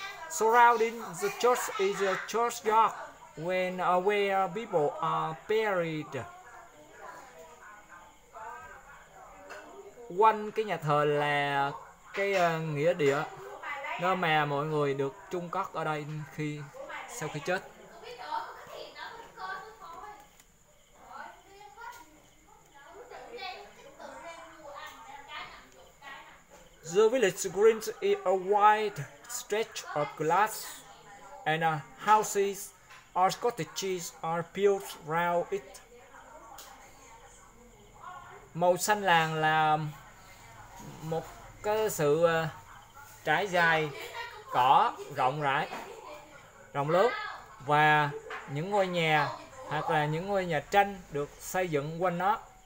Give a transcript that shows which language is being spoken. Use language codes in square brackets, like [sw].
[en] Surrounding the church is a churchyard where people are buried. [vi] Quanh cái nhà thờ là cái nghĩa địa, nơi mà mọi người được chôn cất ở đây khi sau khi chết. [en] The village green is a wide stretch of grass, and houses or cottages are built round it. [vi] Màu xanh làng là một cái sự trải dài cỏ rộng rãi, rộng lớn, và những ngôi nhà hoặc là những ngôi nhà tranh được xây dựng quanh nó.